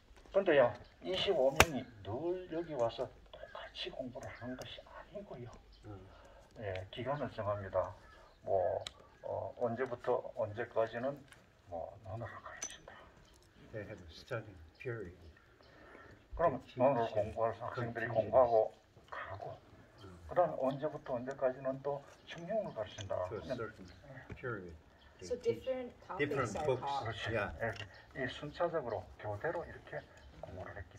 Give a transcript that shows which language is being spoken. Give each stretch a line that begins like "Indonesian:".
Korean: 그런데요, 25명이 늘 여기 와서 똑같이 공부를 하는 것이 아니고요. 예, 기간을 정합니다. 뭐 언제부터 언제까지는 뭐 나눠서 가르친다.
English: They have a study period.
Korean: 그럼 영어를 공부할 학생들이 공부하고 가고 그 다음 언제부터 언제까지는 또 중용을 가르친다.
English: To a certain period. So different topics different books. are taught. Yeah.
Korean: 예, 예, 순차적으로 교대로 이렇게 공부를 했기